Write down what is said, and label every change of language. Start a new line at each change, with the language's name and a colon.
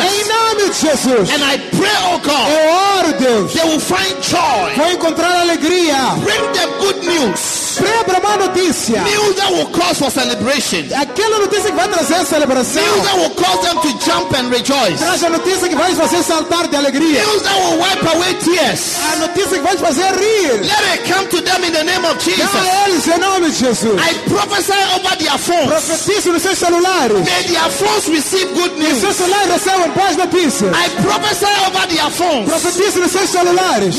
Portuguese: Em nome de Jesus.
English: And I pray, oh God.
Portuguese: Eu oro, Deus.
English: They will find joy.
Portuguese: Vão encontrar alegria.
English: Bring them good news.
Portuguese: Traga para uma notícia.
English: News that will cause for celebration.
Portuguese: Aquela notícia que vai trazer celebração.
English: News that will cause them to jump and rejoice.
Portuguese: Traz a notícia que vai fazer saltar de alegria.
English: News that will wipe away tears.
Portuguese: A notícia que vai fazer rir.
English: Let it come to them in the name of Jesus.
Portuguese: Dá a eles em nome de Jesus.
English: I prophesy over their phones.
Portuguese: Profetizo nos seus celulares.
English: May their phones receive good news.
Portuguese: Nos seus celulares recebam boas notícias.
English: I prophesy over their phones.
Portuguese: Profetizo nos seus celulares.